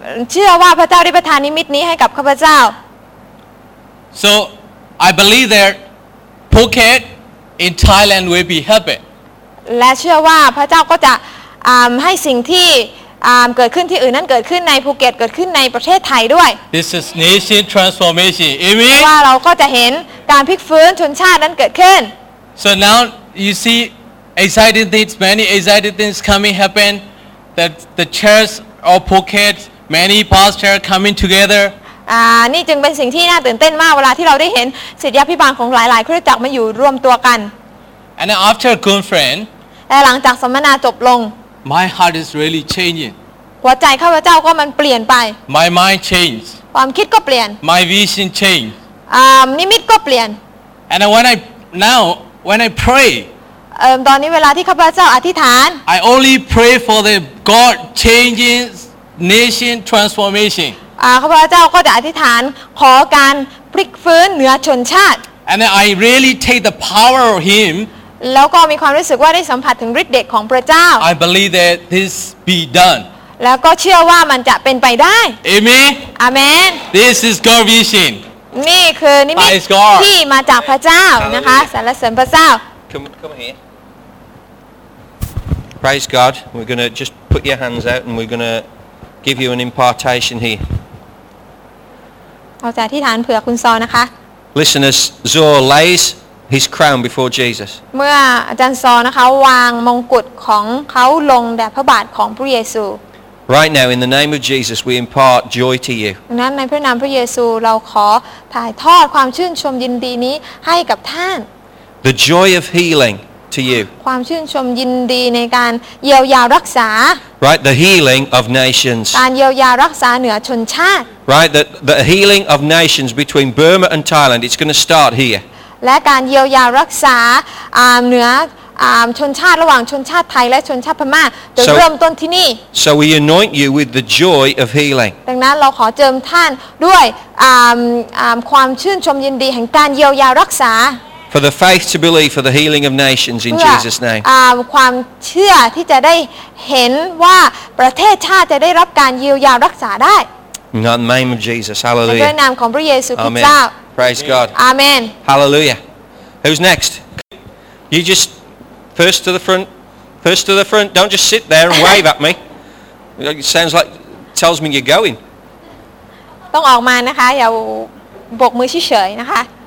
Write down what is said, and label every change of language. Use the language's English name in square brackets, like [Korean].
[Thai] เชื่อว่าพระเจ้าได้ประทานนิมิตนี้ให้กับข้าพเจ้า [English] So I believe that Phuket in Thailand will be happy [Thai] และเชื่อว่าพระเจ้าก็จะให้สิ่งที่เกิดขึ้นที่อื่นนั้นเกิดขึ้นในภูเก็ตเกิดขึ้นในประเทศไทยด้วย [English] This is nation transformation Amen [Thai] ว่าเราก็จะเห็นการพลิกฟื้นชนชาตินั้นเกิดขึ้น [English] So now you see exciting things many exciting things coming happen that the church of Phuket many pastors coming together [Thai] นี่จึงเป็นสิ่งที่น่าตื่นเต้นมากเวลาที่เราได้เห็นศิษยาภิบาลของหลายๆคริสตจักรมาอยู่รวมตัวกัน [English] And after conference [Thai] และหลังจากสัมมนาจบลง [English] My heart is really changing. [Thai] หัวใจข้าพเจ้าก็มันเปลี่ยนไป [English] My mind changes. [Thai] ความคิดก็เปลี่ยน [English] My vision changes. [Thai] นิมิตก็เปลี่ยน [English] And when I pray. [Thai] ตอนนี้เวลาที่ข้าพเจ้าอธิษฐาน [English] I only pray for the God changing nation transformation. [Thai] ข้าพเจ้าก็จะอธิษฐานขอการพลิกฟื้นเหนือชนชาติ [English] And I really take the power of Him. [Thai] แล้วก็มีความรู้สึกว่าได้สัมผัสถึงฤทธิ์เดชของพระเจ้า [English] I believe that this be done [Thai] แล้วก็เชื่อว่ามันจะเป็นไปได้ [English] Amen Amen This is God's vision [Thai] นี่คือนิมิตที่มาจากพระเจ้านะคะสรรเสริญพระเจ้า [English] Come here Praise God we're going to just put your hands out and we're going to give you an impartation here [Thai] เราจะอธิษฐานเผื่อคุณซอนะคะ [English] Listen as Zor laysHis crown before Jesus. [Thai] เมื่ออาจารย์ซอนะคะวางมงกุฎของเขาลงแด่พระบาทของพระเยซู [English] Right now, in the name of Jesus, we impart joy to you. [Thai] นั้นในพระนามพระเยซูเราขอถ่ายทอดความชื่นชมยินดีนี้ให้กับท่าน [English] The joy of healing to you. [Thai] ความชื่นชมยินดีในการเยียวยารักษา [English] Right, the healing of nations. [Thai] การเยียวยารักษาเหนือชนชาติ [English] Right, the healing of nations between Burma and Thailand. It's going to start here. [Thai] และการเยียวยารักษาเหนื ชนชาติระหว่างชนชาติไทยและชนชาติพม่าจะเริ่มต้นที่นี่ [English] So we anoint you with the joy of healing [Thai] ดังนั้นเราขอเจิมท่านด้วยความชื่นชมยินดีแห่งการเยียวยารักษา [English] For the faith to believe for the healing of nations in Jesus' name. [Thai] ความเชื่อที่จะได้เห็นว่าประเทศชาติจะได้รับการเยียวยารักษาได้ [English] In the name of Jesus, hallelujah. [Thai] ในนามของพระเยซูคริสต์เจ้า [English] Praise God. Amen. Hallelujah. Who's next? You just first to the front. First to the front. Don't just sit there and wave at me. It sounds like tells me you're going. [Thai] ต้องออกมานะคะอย่าบกมือเฉยๆนะคะ